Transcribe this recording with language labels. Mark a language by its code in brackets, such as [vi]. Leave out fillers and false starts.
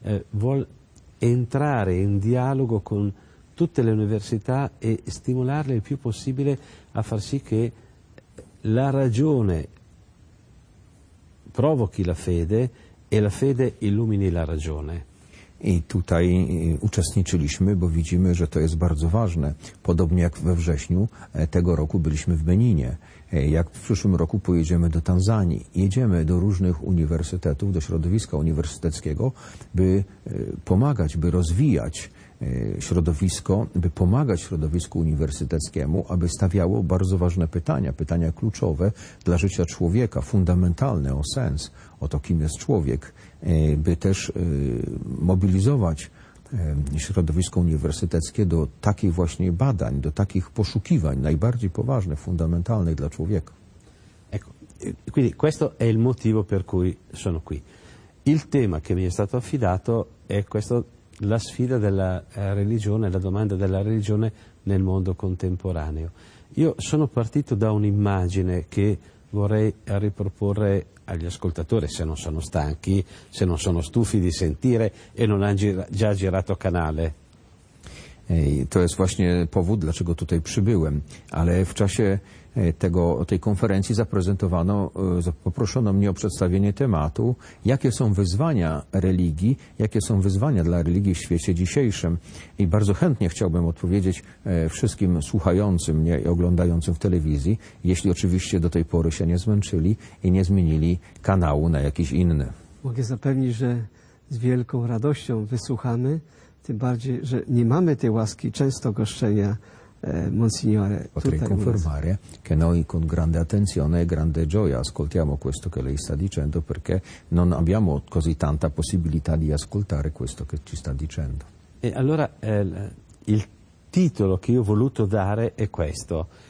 [it] vuol entrare in dialogo con tutte le università e stimolarle il più possibile a far sì che la ragione provochi la fede e la fede illumini la ragione. [pl] I tutaj uczestniczyliśmy, bo widzimy, że to jest bardzo ważne. Podobnie jak we wrześniu tego roku byliśmy w Beninie. Jak w przyszłym roku pojedziemy do Tanzanii. Jedziemy do różnych uniwersytetów, do środowiska uniwersyteckiego, by pomagać, by rozwijać środowisko, by pomagać środowisku uniwersyteckiemu, aby stawiało bardzo ważne pytania, pytania kluczowe dla życia człowieka, fundamentalne o sens, o to, kim jest człowiek, by też mobilizować środowisko uniwersyteckie do takich właśnie badań, do takich poszukiwań najbardziej poważnych, fundamentalnych dla człowieka. [it] Ecco, quindi questo è il motivo per cui sono qui. Il tema che mi è stato affidato è questo, la sfida della religione, la domanda della religione nel mondo contemporaneo. Io sono partito da un'immagine che vorrei riproporre agli ascoltatori, se non sono stanchi, se non sono stufi di sentire e non hanno già girato canale. [pl] To jest właśnie powód, dlaczego tutaj przybyłem, ale w czasie tej konferencji poproszono mnie o przedstawienie tematu, jakie są wyzwania religii, jakie są wyzwania dla religii w świecie dzisiejszym. I bardzo chętnie chciałbym odpowiedzieć wszystkim słuchającym mnie i oglądającym w telewizji, jeśli oczywiście do tej pory się nie zmęczyli i nie zmienili kanału na jakiś inny. Mogę zapewnić, że z wielką radością wysłuchamy, tym bardziej, że nie mamy tej łaski często goszczenia Monsignore. [it] Potrei confermare che noi con grande attenzione e grande gioia ascoltiamo questo che lei sta dicendo, perché non abbiamo così tanta possibilità di ascoltare questo che ci sta dicendo. E allora il titolo che io ho voluto dare è questo.